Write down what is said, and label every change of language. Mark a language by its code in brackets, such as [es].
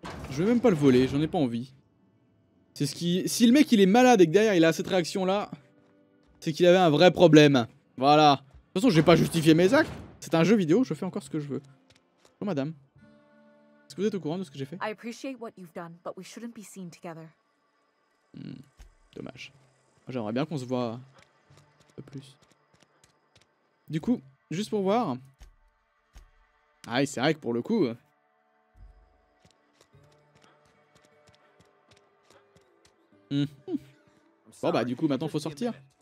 [fr] Je vais même pas le voler, j'en ai pas envie. C'est ce qui... Si le mec il est malade et que derrière il a cette réaction là, c'est qu'il avait un vrai problème. Voilà. De toute façon, j'ai pas justifié mes actes. C'est un jeu vidéo, je fais encore ce que je veux. Bonjour madame. Est-ce que vous êtes au courant de ce que j'ai fait? [en] I appreciate what you've done, but we shouldn't be seen together. [fr] Dommage. J'aimerais bien qu'on se voit un peu plus. Du coup, juste pour voir. Ah, c'est vrai que pour le coup. Bon bah du coup maintenant faut sortir.